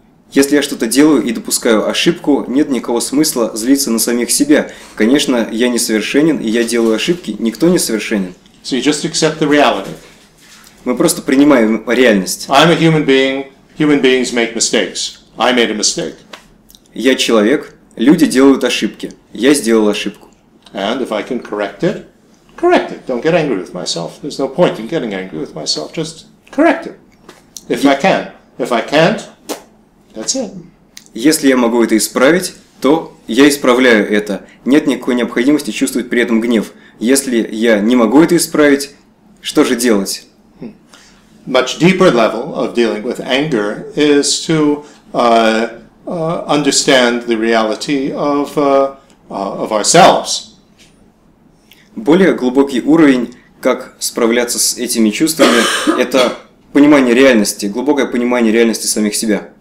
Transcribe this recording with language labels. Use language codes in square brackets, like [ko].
[ru] Если я что-то делаю и допускаю ошибку, нет никакого смысла злиться на самих себя. Конечно, я несовершенен, и я делаю ошибки, никто не совершенен. [en] So you just accept the reality. [ru] Мы просто принимаем реальность. [en] I'm a human being, human beings make mistakes. I made a mistake. [ru] Я человек, люди делают ошибки. Я сделал ошибку. [en] And if I can correct it, correct it. Don't get angry with myself. There's no point in getting angry with myself. Just correct it. If I can. If I can't, that's it. [ru] Если я могу это исправить, то я исправляю это. Нет никакой необходимости чувствовать при этом гнев. Если я не могу это исправить, что же делать? [en] Much deeper level of dealing with anger is to understand the reality of ourselves. [ru] Более глубокий уровень, как справляться с этими чувствами, это понимание реальности, глубокое понимание реальности самих себя.